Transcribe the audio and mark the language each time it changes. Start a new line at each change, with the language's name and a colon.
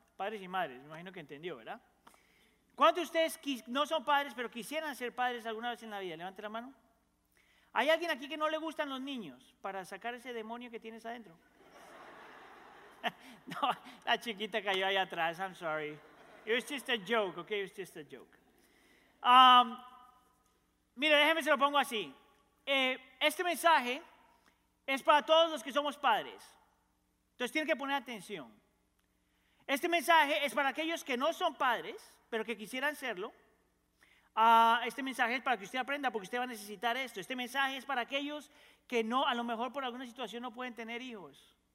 Spanish: Padres y madres, me imagino que entendió, ¿verdad? ¿Cuántos de ustedes no son padres, pero quisieran ser padres alguna vez en la vida? Levanten la mano. ¿Hay alguien aquí que no le gustan los niños para sacar ese demonio que tienes adentro? No, la chiquita cayó ahí atrás.
English: I'm sorry. It was just a joke, okay? It was just a joke.
Spanish: Mire, déjeme se lo pongo así. Este mensaje es para todos los que somos padres. Entonces tienen que poner atención. Este mensaje es para aquellos que no son padres, pero que quisieran serlo. Este mensaje es para que usted aprenda, porque usted va a necesitar esto. Este mensaje es para aquellos que no, a lo mejor por alguna situación no pueden tener hijos.